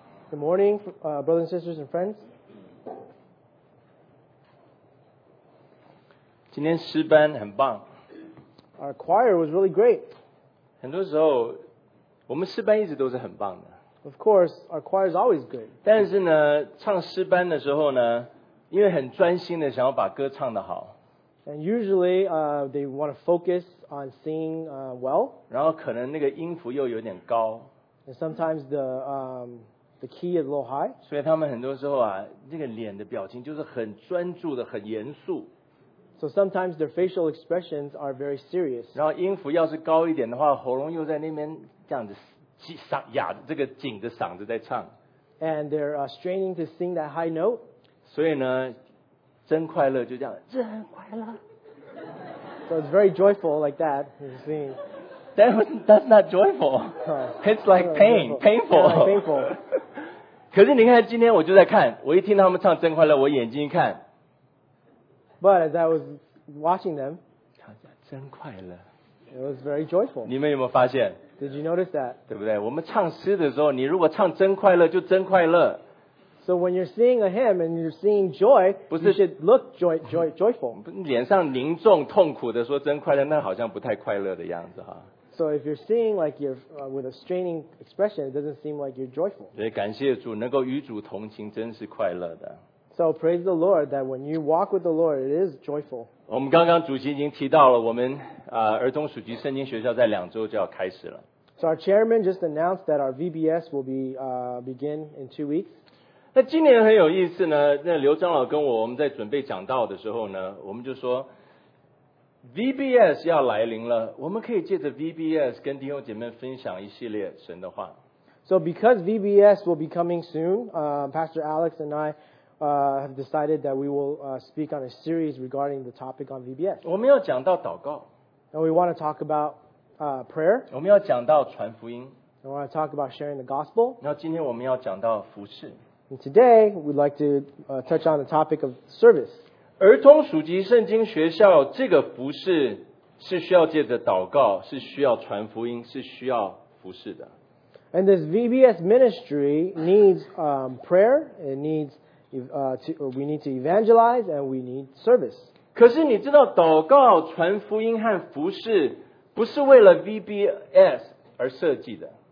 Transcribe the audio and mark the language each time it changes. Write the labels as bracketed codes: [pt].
[en] Good morning, brothers and sisters and friends. [zh] 今天诗班很棒。 [en] Our choir was really great. [zh] 很多时候我们诗班一直都是很棒的。 [en] Of course, our choir is always good. [zh] 但是呢唱诗班的时候呢因为很专心的想要把歌唱得好。 [en] And usually, they want to focus on singing, well. [zh] 然后可能那个音符又有点高。 [en] And sometimes the key is a little high. [zh] 所以他们很多时候啊，那个脸的表情就是很专注的，很严肃。 [en] So sometimes their facial expressions are very serious. [zh] 然后音符要是高一点的话，喉咙又在那边这样子挤嗓哑，这个紧着嗓子在唱。 [en] And they're straining to sing that high note. [zh] 所以呢。真快乐就这样，真快乐。 [en] So it's very joyful like that, you see. That's not joyful. It's like pain, painful. Yeah, like painful. [zh] 可是你看，今天我就在看，我一听他们唱真快乐，我眼睛一看。 [en] But as I was watching them, [zh] 真快乐。 [en] It was very joyful. [zh] 你们有没有发现 [en] ？Did you notice that? [zh] 对不对？我们唱诗的时候，你如果唱真快乐，就真快乐。 [en] So when you're singing a hymn and you're singing joy, you should look joyful. [zh] 脸上凝重痛苦的说真快乐，那好像不太快乐的样子哈。 [en] So if you're singing like you're with a straining expression, it doesn't seem like you're joyful. [zh] 对，感谢主，能够与主同行，真是快乐的。 [en] So praise the Lord that when you walk with the Lord, it is joyful. [zh] 我们刚刚主席已经提到了，我们儿童暑期圣经学校在两周就要开始了。 [en] So our chairman just announced that our VBS will be begin in 2 weeks. [zh] 那今年很有意思呢，那刘长老跟我们在准备讲道的时候呢，我们就说 VBS 要来临了，我们可以借着 VBS 跟弟兄姐妹分享一系列神的话。 [en] So because VBS will be coming soon, Pastor Alex and I have decided that we will speak on a series regarding the topic on VBS. [zh] 我们要讲到祷告。 [en] And we want to talk about prayer. [zh] 我们要讲到传福音。 [en] And we want to talk about sharing the gospel. [zh] 那今天我们要讲到服事。 [en] And today, we'd like to touch on the topic of service. [zh] 儿童暑期圣经学校这个服事是需要借着祷告，是需要传福音，是需要服事的。 [en] And this VBS ministry needs prayer. It needs we need to evangelize and we need service. [zh] 可是你知道，祷告、传福音和服事不是为了 VBS 而设计的。